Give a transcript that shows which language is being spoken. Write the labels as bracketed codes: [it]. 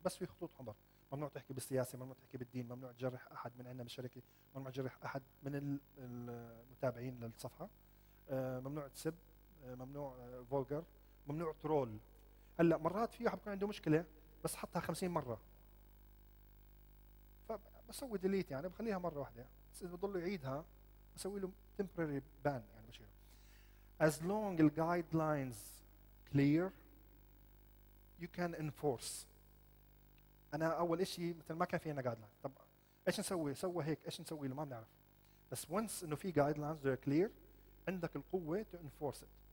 [ar] بس في خطوط حمر، ممنوع تحكي بالسياسه، ممنوع تحكي بالدين، ممنوع تجرح احد من عندنا بالشركه، ممنوع تجرح احد من المتابعين للصفحه، ممنوع تسب، ممنوع فولجر، ممنوع ترول. هلا مرات في واحد بكون عنده مشكله بس حطها 50 مره فبسوي ديليت، يعني بخليها مره واحده، بس اذا بضل يعيدها بسوي له تمبرري بان، يعني بشيله. [en] As long as guidelines clear you can enforce. [ar] انا اول شيء مثل ما كان في عندنا guidelines، طب ايش نسوي؟ سوى هيك، ايش نسوي؟ ما بنعرف. بس [en] once [ar] انه في guidelines [en] they're clear [ar] عندك القوه [en] to enforce it.